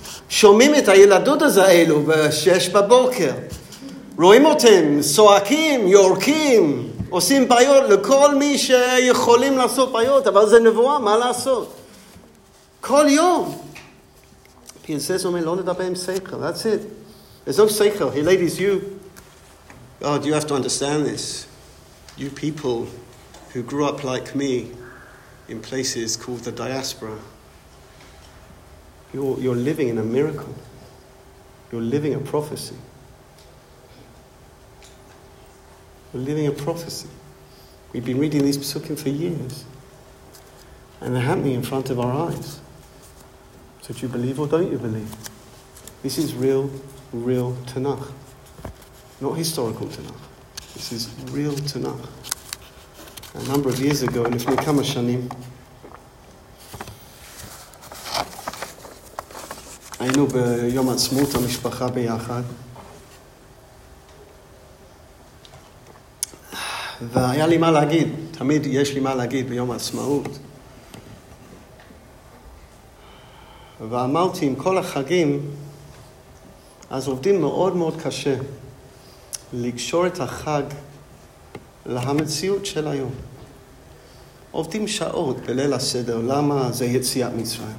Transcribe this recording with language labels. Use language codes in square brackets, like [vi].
[he] שומעים את הילדות הזה אלו בשש בבוקר. רואים אותם. סועקים. יורקים. עושים בעיות לכל מי שיכולים לעשות בעיות. אבל זה נבואה. מה לעשות? כל יום. פינסס אומר, לא לדבר עם שכל. [en] That's it. There's no שכל. Hey, ladies, you. God, you have to understand this. You people who grew up like me in places called the diaspora. You're living in a miracle. You're living a prophecy. We're living a prophecy. We've been reading these psukim for years. And they're happening in front of our eyes. So do you believe or don't you believe? This is real, real Tanakh. Not historical Tanakh. This is real Tanakh. A number of years ago, and if you come a shanim, I know by Yom HaTzmut, HaMishpacha Biyachad, [he] והיה לי מה להגיד, תמיד יש לי מה להגיד ביום העצמאות. ואמרתי, עם כל החגים, אז עובדים מאוד מאוד קשה לקשור את החג למציאות של היום. עובדים שעות בליל הסדר, למה זה יציאת מצרים?